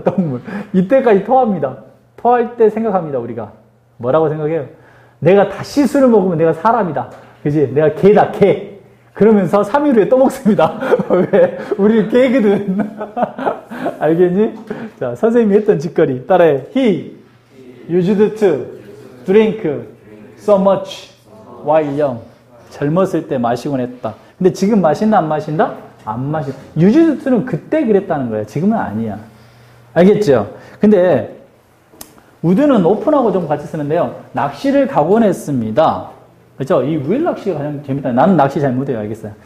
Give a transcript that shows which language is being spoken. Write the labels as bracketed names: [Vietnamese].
[Korean] 똥물. 이때까지 토합니다. 토할 때 생각합니다. 우리가. 뭐라고 생각해요? 내가 다시 술을 먹으면 내가 사람이다. 그지? 내가 개다. 개. 그러면서 3일 후에 또 먹습니다. 왜? 우리 개그든. 알겠니? 자, 선생님이 했던 짓거리. 따라해. [English] He used to drink so much while young. [Korean] 젊었을 때 마시곤 했다. 근데 지금 마신다, 안 마신다? 안 마신다. used to는 그때 그랬다는 거야. 지금은 아니야. 알겠죠? 근데, would는 open하고 좀 같이 쓰는데요. 낚시를 가곤 했습니다. 그죠? 이 will 낚시가 가장 재밌다. 나는 낚시 잘 못해요. 알겠어요.